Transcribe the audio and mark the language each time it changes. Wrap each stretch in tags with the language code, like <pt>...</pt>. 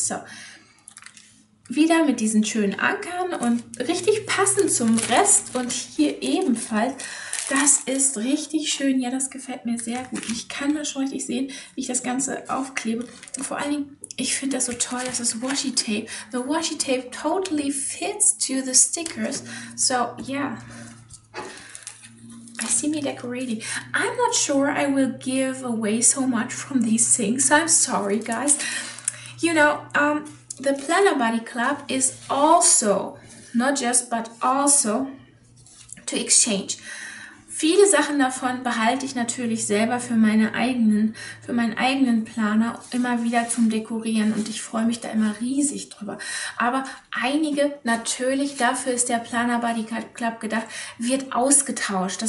<de>So, wieder mit diesen schönen Ankern und richtig passend zum Rest und hier ebenfalls. Das ist richtig schön. Ja, das gefällt mir sehr gut. Ich kann das schon richtig sehen, wie ich das Ganze aufklebe. Und vor allen Dingen, ich finde das so toll, das ist Washi Tape.</de> <en>The Washi Tape totally fits to the stickers. So, yeah. I see me decorating. I'm not sure I will give away so much from these things. I'm sorry, guys. You know, the Planner Buddy Club is also, not just, but also to exchange.</en> <de>Viele Sachen davon behalte ich natürlich selber für meinen eigenen Planer immer wieder zum Dekorieren und ich freue mich da immer riesig drüber. Aber einige, natürlich, dafür ist der Planner Buddy Club gedacht, wird ausgetauscht.</de>